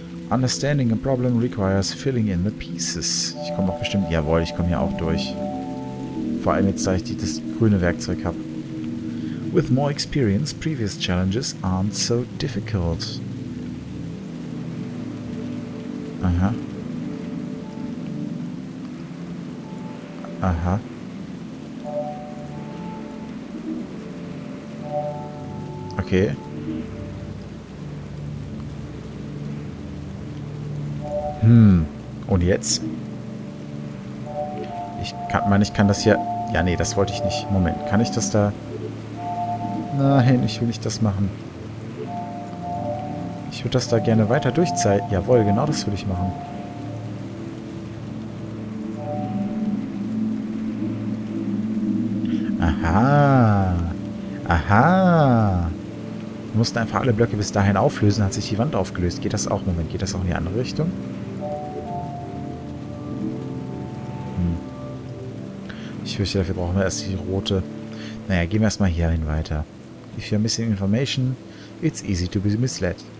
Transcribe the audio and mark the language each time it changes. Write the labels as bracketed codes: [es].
[en] Understanding a problem requires filling in the pieces. [de] Ich komme auch bestimmt... Jawohl, ich komme hier auch durch. Vor allem jetzt, da ich das grüne Werkzeug habe. [en] With more experience, previous challenges aren't so difficult. Aha. Aha. Okay. [de] Und jetzt? Ich kann, meine, ich kann das hier... Ja, nee, das wollte ich nicht. Moment, kann ich das da... Nein, ich will nicht das machen. Ich würde das da gerne weiter durchzeigen. Jawohl, genau das würde ich machen. Aha. Aha. Wir mussten einfach alle Blöcke bis dahin auflösen, hat sich die Wand aufgelöst. Geht das auch? Moment, geht das auch in die andere Richtung? Ich fürchte, dafür brauchen wir erst die rote. Naja, gehen wir erstmal hierhin weiter. [en] If you're missing information, it's easy to be misled.